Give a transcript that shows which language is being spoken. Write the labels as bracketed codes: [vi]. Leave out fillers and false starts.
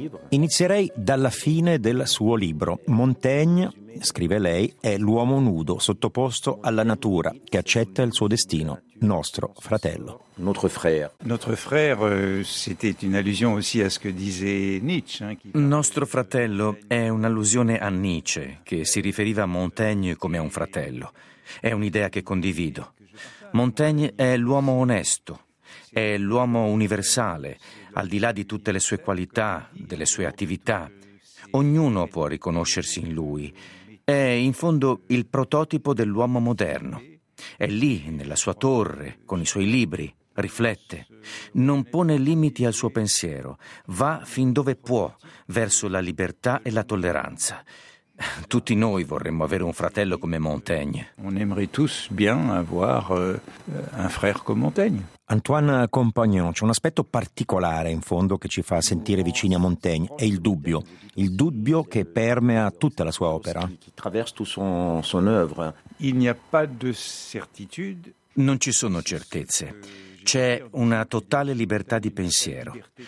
[it] Inizierei dalla fine del suo libro. Montaigne, scrive lei, è l'uomo nudo, sottoposto alla natura, che accetta il suo destino, nostro fratello. [fr] Notre frère. Notre frère, c'était une allusion aussi à ce que disait Nietzsche. [it] Nostro fratello è un'allusione a Nietzsche, che si riferiva a Montaigne come a un fratello. È un'idea che condivido. Montaigne è l'uomo onesto. È l'uomo universale, al di là di tutte le sue qualità, delle sue attività. Ognuno può riconoscersi in lui. È, in fondo, il prototipo dell'uomo moderno. È lì, nella sua torre, con i suoi libri, riflette. Non pone limiti al suo pensiero. Va fin dove può, verso la libertà e la tolleranza. Tutti noi vorremmo avere un fratello come Montaigne. [fr] On aimerait tous bien avoir un frère comme Montaigne. [it] Antoine Compagnon, c'è un aspetto particolare in fondo che ci fa sentire vicini a Montaigne, è il dubbio che permea tutta la sua opera. [fr] Il n'y a pas de certitude. [it] Non ci sono certezze, c'è una totale libertà di pensiero.